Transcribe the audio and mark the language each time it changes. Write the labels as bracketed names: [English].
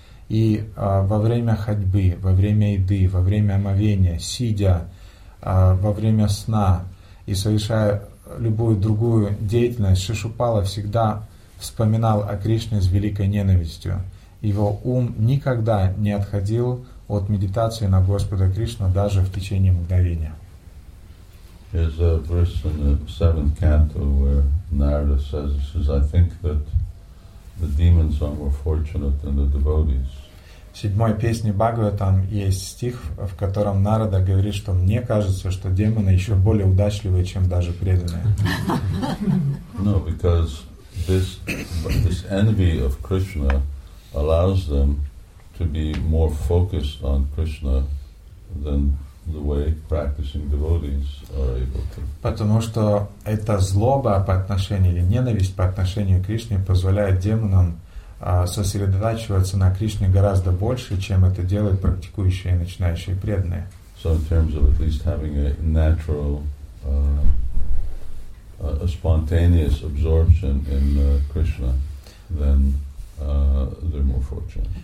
[Russian] И во время ходьбы, во время еды, во время омовения, сидя, во время сна и совершая любую другую деятельность, Шишупала всегда вспоминал о Кришне с великой ненавистью. Его ум никогда не отходил от медитации на Господа Кришну даже в течение мгновения. [English] There's a verse in the seventh canto where Narada says, he says, I think that the demons are more fortunate than the devotees. [Russian] В седьмой песне Бхагаватам есть стих, в котором Нарада говорит, что мне кажется, что демоны еще более удачливые, чем даже преданные. [English] No, because this envy of Krishna allows them to be more focused on Krishna than the way practicing devotees are able to. [Russian] Потому что эта злоба по отношению или ненависть по отношению к Кришне позволяет демонам сосредотачиваться на Кришне гораздо больше, чем это делают практикующие и начинающие преданные. [English] So in terms of at least having a natural, a spontaneous absorption in Krishna, then they're more fortunate.